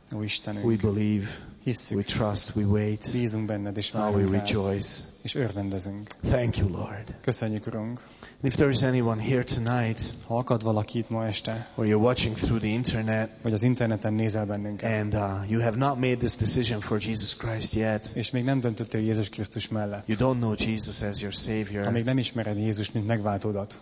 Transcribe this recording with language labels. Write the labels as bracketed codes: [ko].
[hu] Ó Istenünk. [en] We believe. [hu] Hisszük. [en] We trust. We wait. [hu] Bízunk benned, és [en] now we rejoice. [hu] És örvendezünk. [en] Thank you, Lord. [hu] Köszönjük, Urunk. [en] If there is anyone here tonight, [hu] ha akad valaki itt ma este, [en] or you're watching through the internet, [hu] vagy az interneten nézel bennünket, [en] and you have not made this decision for Jesus Christ yet, [hu] és még nem döntöttél Jézus Krisztus mellett, [en] you don't know Jesus as your Savior, [hu] ha még nem ismered Jézus mint megváltódat,